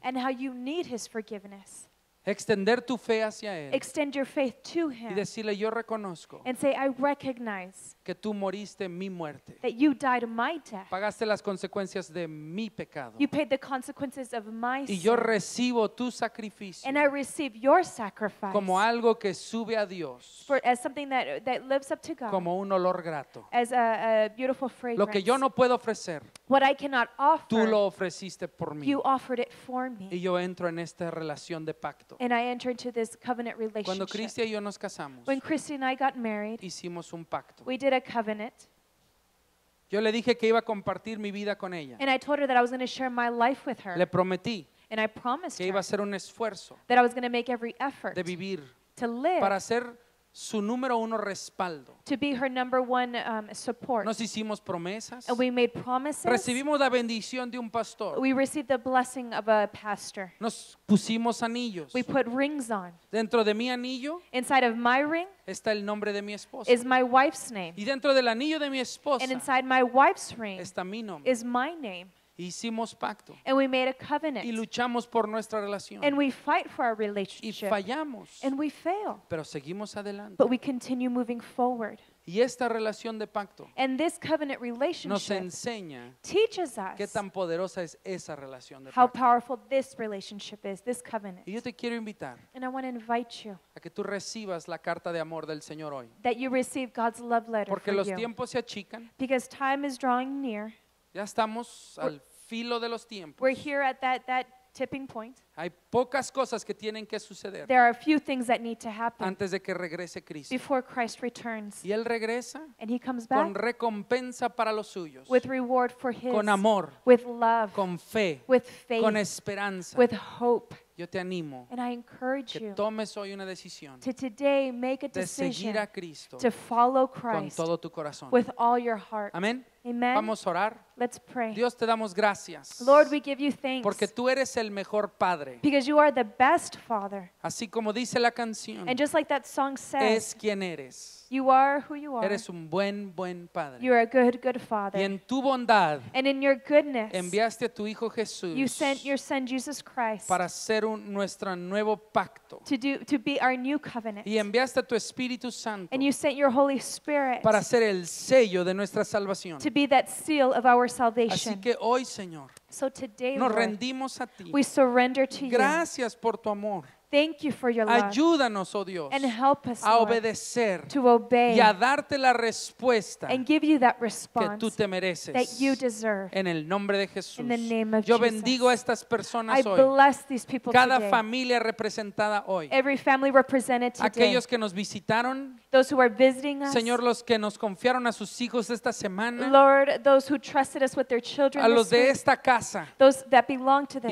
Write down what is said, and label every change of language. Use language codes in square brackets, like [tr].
[en] And how you need his forgiveness. [es] Extender tu fe hacia él. [en] Extend your faith to him. [es] Y decirle, yo reconozco. [en] And say, I recognize. [es] Que tú moriste mi muerte. [en] That you died my death. [es] Pagaste las consecuencias de mi pecado. [en] You paid the consequences of my sin. [es] Y yo recibo tu sacrificio. [en] And I receive your sacrifice. [es] Como algo que sube a Dios. [en] For, as something that, that lives up to God. [es] Como un olor grato. [en] As a beautiful fragrance. [es] Lo que yo no puedo ofrecer. [en] What I cannot offer. [es] Tú lo ofreciste por mí. [en] You offered it for me. [es] Y yo entro en esta relación de pacto. [en] And I enter into this covenant relationship. [es] Cuando Cristia y yo nos casamos, [en] when Christy and I got married, [es] hicimos un pacto. [en] We did a covenant. [es] Yo le dije que iba a compartir mi vida con ella. [en] And I told her that I was going to share my life with her. [es] Le prometí. [en] And I promised [es] que [en] her [es] iba a hacer un esfuerzo. [en] That I was going to make every effort [es] de vivir [en] to live. [es] Para ser su número uno respaldo. [en] To be her number one support. [es] Nos hicimos promesas. [en] And we made promises. [es] Recibimos la bendición de un pastor. [en] We received the blessing of a pastor. [es] Nos pusimos anillos. [en] We put rings on. [es] Dentro de mi anillo. [en] Inside of my ring. [es] Está el nombre de mi esposa. [en] Is my wife's name. [es] Y dentro del anillo de mi esposa. [en] And inside my wife's ring. [es] Está mi nombre. [en] Is my name. [es] Hicimos pacto. [en] And we made a covenant. [es] Y luchamos por nuestra relación. [en] And we fight for our relationship. [es] Y fallamos. [en] And we fail. [es] Pero seguimos adelante. [en] But we continue moving forward. [es] Y esta relación de pacto. [en] And this covenant relationship. [es] Nos enseña. [en] Teaches us. [es] Qué tan poderosa es esa relación de pacto. [en] How powerful this relationship is, this covenant. [es] Y yo te quiero invitar. [en] And I want to invite you. [es] A que tú recibas la carta de amor del Señor hoy. [en] That you receive God's love letter. [es] Porque [en] for [es] los [en] you. [es] Tiempos se achican. [en] Because time is drawing near. [es] Ya estamos al filo de los tiempos. [en] We're here at that tipping point. [es] Hay pocas cosas que tienen que suceder. [en] There are a few things that need to happen. [es] Antes de que regrese Cristo. [en] Before Christ returns. [es] Y Él regresa. [en] And He comes back. [es] Con recompensa para los suyos. [en] With reward for His. [es] Con amor. [en] With love. [es] Con fe. [en] With faith. [es] Con esperanza. [en] With hope. [es] Yo te animo. [en] And I encourage [es] you. Que tomes hoy una decisión. [en] To today make a decision. [es] De seguir a Cristo. [en] To follow Christ. [es] Con todo tu corazón. [en] With all your heart. [es] Amén. [en] Amen. [es] Vamos a orar. [en] Let's pray. [es] Dios, te damos gracias. [en] Lord, we give you thanks. [es] Porque tú eres el mejor padre. [en] Because you are the best father. [es] Así como dice la canción. [en] And just like that song says. [es] Es quien eres. [en] You are who you are. [es] Eres un buen padre. [en] You are a good father. [es] Y en tu bondad. [en] And in your goodness. [es] Enviaste a tu hijo Jesús. [en] You sent your son Jesus Christ. [es] Para hacer nuestro nuevo pacto. [en] To be our new covenant. [es] Y enviaste a tu Espíritu Santo. [en] And you sent your Holy Spirit. [es] Para ser el sello de nuestra salvación. [en] To be that seal of our salvation. [es] Así que hoy, Señor. [en] So today, [es] nos rendimos a ti. [en] We surrender to [es] you. Gracias por tu amor. [en] Thank you for your love. [es] Ayúdanos, oh Dios, [en] and help us, [es] a obedecer, [en] to obey, [es] y a darte la respuesta, [en] and give you that response [es] que tú te mereces, [en] that you deserve. [es] En el nombre de Jesús. [en] In the name of [es] yo [en] Jesus. [es] Bendigo a estas personas [en] I [es] hoy. [en] Bless these people [es] cada [en] today. [es] Familia representada hoy. [en] Every family represented today. [es] Aquellos que nos visitaron. [en] Those who are visiting us. [es] Señor, los que nos confiaron a sus hijos esta semana. [en] Lord, those who trusted us with their children. [es] A los de esta casa. [en] Those that belong to this